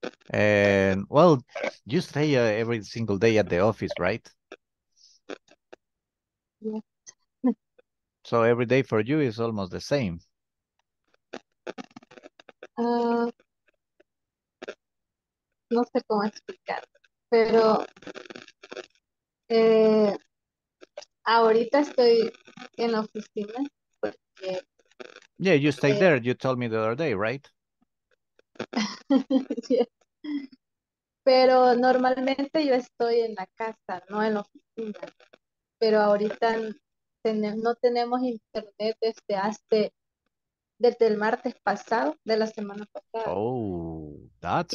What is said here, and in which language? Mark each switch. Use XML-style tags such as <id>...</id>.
<en>And well, you stay every single day at the office, right? Yes. So every day for you is almost the same.</en> <es>No sé cómo explicar, pero ahorita estoy en la oficina porque...</es> <en>Yeah, you stayed there, you told me the other day, right?</en> <es>Pero normalmente yo estoy en la casa, no en la oficina. Pero ahorita no tenemos internet desde hace... Desde el martes pasado, de la semana pasada.</es> <en>Oh, that's</en>